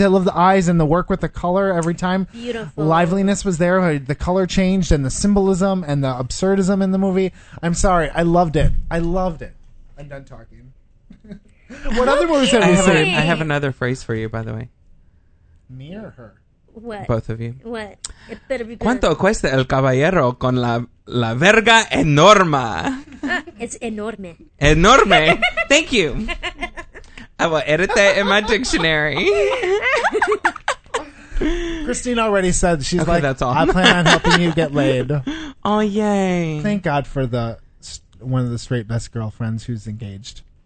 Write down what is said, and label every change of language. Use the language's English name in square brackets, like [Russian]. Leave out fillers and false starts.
[English] I love the eyes and the work with the color every time. Beautiful. Liveliness was there. The color changed and the symbolism and the absurdism in the movie. I'm sorry. I loved it. I loved it. I'm done talking. What okay. other movies have you seen? I have another phrase for you, by the way. Me or her? What? Both of you. What? It better be good. [Spanish] ¿Cuánto cuesta el caballero con la verga enorme? [English] It's enorme. Enorme. Thank you. I will edit that in my dictionary. Christine already said she's okay, like, that's all. I plan on helping you get laid. Oh, yay. Thank God for the one of the straight best girlfriends who's engaged.